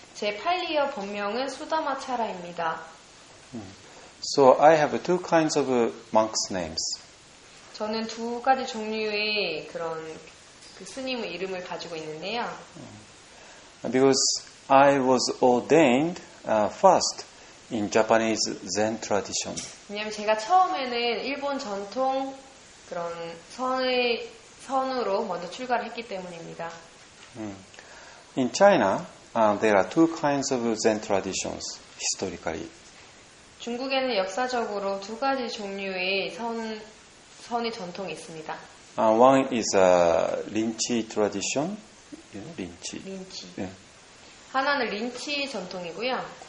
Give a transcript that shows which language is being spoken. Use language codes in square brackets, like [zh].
[ko] 제 팔리어 본명은 수다마차라입니다. [en] So I have two kinds of monks' names. [ko] 저는 두 가지 종류의 그런 그 스님 이름을 가지고 있는데요. [en] Because I was ordained first in Japanese Zen tradition. [ko] 왜냐하면 제가 처음에는 일본 전통 그런 선의 선으로 먼저 출가를 했기 때문입니다. [en] In China, there are two kinds of Zen traditions historically. [ko] 중국에는 역사적으로 두 가지 종류의 선의 전통이 있습니다. [en] One is a Rinchi tradition. You know, Rinchi. Rinchi. Yeah. [ko] 하나는 린치 전통이고요.